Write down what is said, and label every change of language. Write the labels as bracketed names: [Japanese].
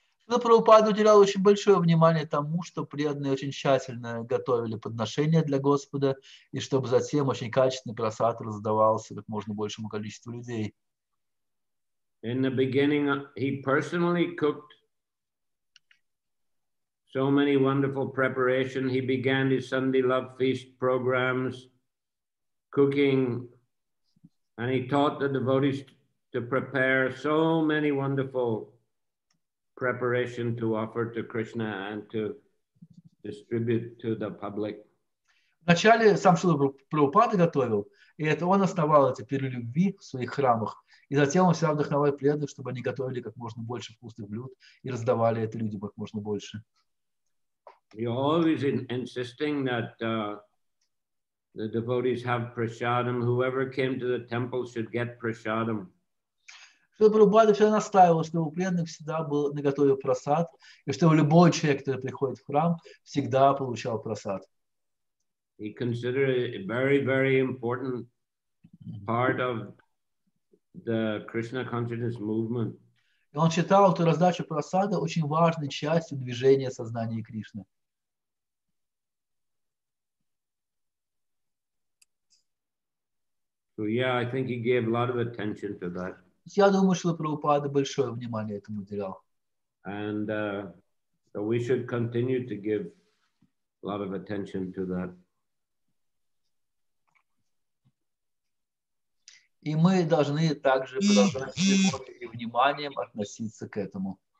[Russian] Ну, Прабхупада уделял очень большое внимание тому, что преданные очень тщательно готовили подношения для Господа, и чтобы затем очень качественный просад раздавался как можно большему количеству людей. [English] In the beginning, he personally cooked so many wonderful preparations. He began his Sunday love feast programs, cooking, and he taught the devotees to prepare so many wonderful preparation to offer to Krishna and to distribute to the public. [Russian] Вначале сам Шрила Прабхупада готовил, и это он основал эти пиры любви в своих храмах, и затем он всегда вдохновлял преданных, чтобы они готовили как можно больше вкусных блюд и раздавали это людям как можно больше. [English] He always insisting that the devotees have prasadam. Whoever came to the temple should get prasadam. [Russian] Шрила Прабхупада всегда настаивал, чтобы у преданных всегда был наготове просад, и чтобы любой человек, который приходит в храм, всегда получал просад. [English] He considered it a very, very important part of the Krishna consciousness movement. [Russian] И он считал, что раздача просада очень важной частью движения сознания Кришны. [English] So yeah, I think he gave a lot of attention to that. [Russian] Я думаю, что Прабхупада большое внимание этому уделял. [English] And so we should continue to give a lot of attention to that. [Russian] И мы должны также продолжать с любовью и вниманием относиться к этому.